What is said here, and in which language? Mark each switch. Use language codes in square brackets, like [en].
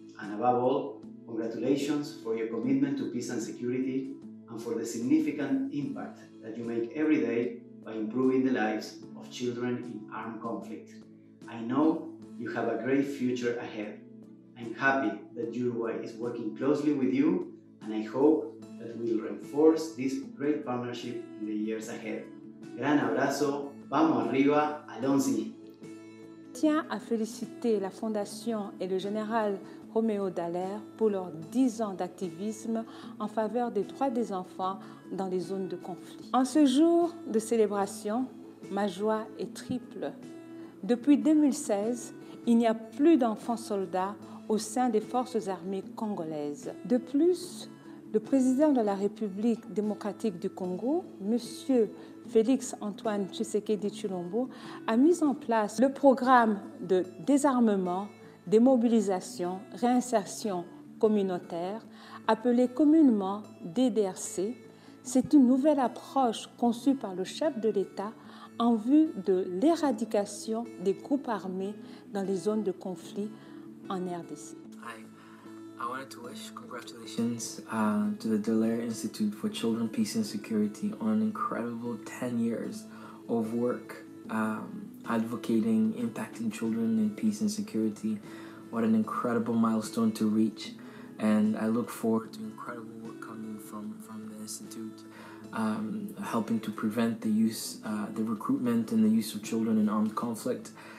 [en] And above all, congratulations for your commitment to peace and security and for the significant impact that you make every day by improving the lives of children in armed conflict. I know you have a great future ahead. I'm happy that Uruguay is working closely with you, and I hope that we'll reinforce this great partnership in the years ahead. [es] Gran abrazo, vamos arriba, [fr] allons-y. Tiens à féliciter la Fondation et le Général Romeo Dallaire pour leurs 10 ans d'activisme en faveur des droits des enfants dans les zones de conflit. En ce jour de célébration, ma joie est triple. Depuis 2016, il n'y a plus d'enfants soldats au sein des forces armées congolaises. De plus, le président de la République démocratique du Congo, Monsieur Félix-Antoine Tshisekedi Tshilombo, a mis en place le programme de désarmement, démobilisation, réinsertion communautaire, appelé communément DDRC. C'est une nouvelle approche conçue par le chef de l'État en vue de l'éradication des groupes armés dans les zones de conflit en RDC. [en] I wanted to wish congratulations to the Dallaire Institute for Children, Peace and Security on an incredible 10 years of work advocating, impacting children in peace and security. What an incredible milestone to reach. And I look forward to incredible work coming from the Institute, helping to prevent the use, the recruitment and the use of children in armed conflict.